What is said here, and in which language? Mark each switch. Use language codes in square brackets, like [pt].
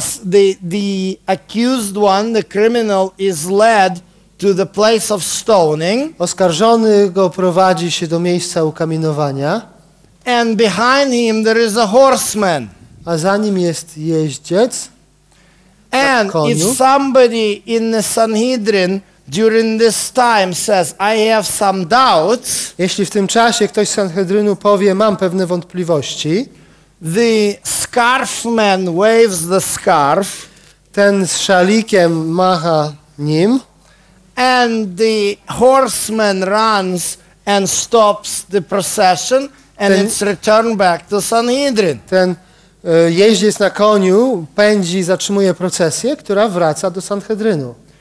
[en] The accused one, the criminal is led to the place of stoning. [pl] Oskarżony go prowadzi się do miejsca ukamienowania. [en] And behind him there is a horseman. [pl] A za nim jest jeździec. [en] And if somebody in the Sanhedrin during this time says I have some doubts. [pl] Jeśli w tym czasie ktoś z Sanhedrynu powie mam pewne wątpliwości. [en] The scarfman waves the scarf. [pl] Ten z szalikiem macha nim. [en] And the horseman runs and stops the procession and it's returned back to Sanhedrin. [pl] Ten jeździec na koniu pędzi, zatrzymuje procesję, która wraca do Sanhedrynu.